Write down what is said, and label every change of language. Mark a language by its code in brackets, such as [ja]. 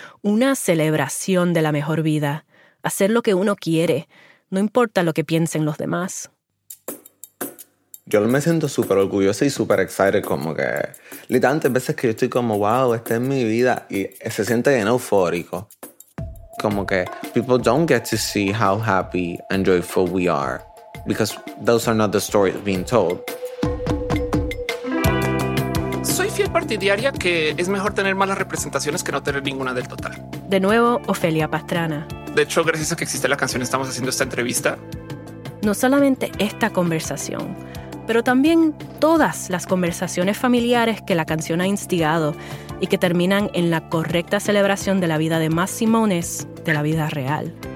[es] Una celebración de la mejor vida. Hacer lo que uno quiere. No importa lo que piensen los demás. Yo me siento súper orgulloso y súper excited. Como que literalmente hay veces que yo estoy como, wow, esta es mi vida. Y se siente bien eufórico. Como que [en] people don't get to see how happy and joyful we are. Because those are not the stories being told. [es] Partidaria que es mejor tener malas representaciones que no tener ninguna del total. De nuevo, Ofelia Pastrana. De hecho, gracias a que existe la canción estamos haciendo esta entrevista. No solamente esta conversación, pero también todas las conversaciones familiares que la canción ha instigado y que terminan en la correcta celebración de la vida de más Simones de la vida real.